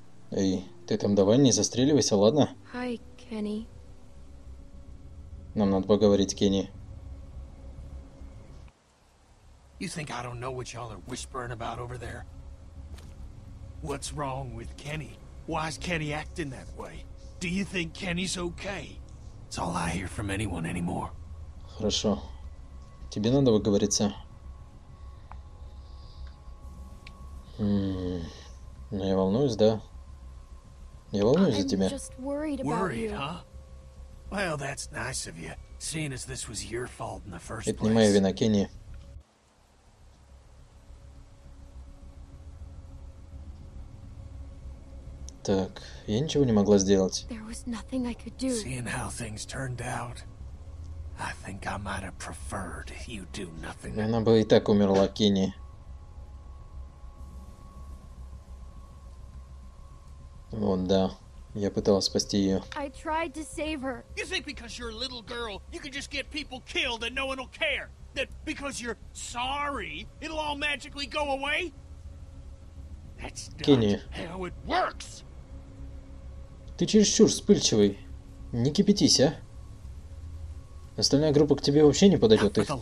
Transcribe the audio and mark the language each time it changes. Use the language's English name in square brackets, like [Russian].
[Russian] Эй, ты там давай не застреливайся, ладно? [English] Hi, Kenny. [Russian] Нам надо поговорить, Кенни. [English] You think I don't know what y'all are whispering about over there? What's wrong with Kenny? Why is Kenny acting that way? Do you think Kenny's okay? It's all I hear from anyone anymore. [Russian] Хорошо. Тебе надо выговориться. Ну я волнуюсь, да? Я волнуюсь за тебя. [English] I'm just worried about you. Worried, huh? Well, that's nice of you, seeing as this was your fault in the first place. [Russian] Это не моя вина, Кенни. Так, я ничего не могла сделать. [English] There was nothing I could do. Seeing how things turned out, I think I might have preferred you do nothing. [Russian] Она бы и так умерла, Кенни. Вот, да. Я пыталась спасти ее. [English] I tried to save her. You think because you're a little girl, you can just get people killed and no one will care? That because you're sorry, it'll all magically go away? That's not how it works. [Russian] Ты чересчур вспыльчивый. Не кипятись, а? Остальная группа к тебе вообще не подойдет.